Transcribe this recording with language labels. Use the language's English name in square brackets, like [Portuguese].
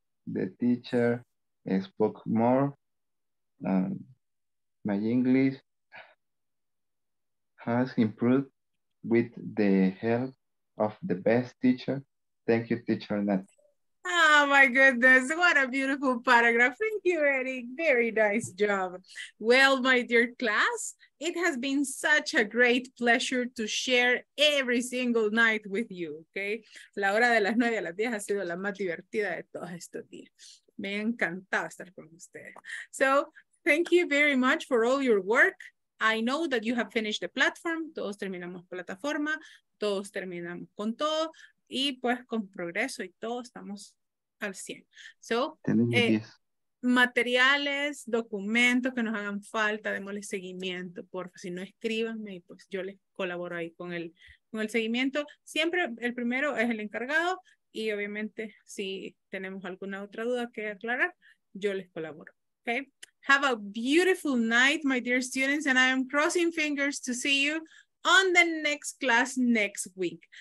[English] The teacher spoke more. My English has improved with the help of the best teacher. Thank you, teacher Nat. Oh my goodness, what a beautiful paragraph. Thank you, Eric. Very nice job. Well, my dear class, it has been such a great pleasure to share every single night with you, okay? [Spanish] La hora de las 9 a las 10 ha sido la más divertida de todos estos días. Me ha encantado estar con ustedes. [English] So, thank you very much for all your work. I know that you have finished the platform. [Spanish] Todos terminamos plataforma. Todos terminamos con todo. Y pues con progreso y todo estamos al 100. [English] So, [Spanish] materiales, documentos que nos hagan falta, démosle seguimiento, porfa. Si no, escríbanme y pues yo les colaboro ahí con el seguimiento. Siempre el primero es el encargado y obviamente si tenemos alguna otra duda que aclarar, yo les colaboro. [English] Okay? Have a beautiful night, my dear students, and I am crossing fingers to see you on the next class next week.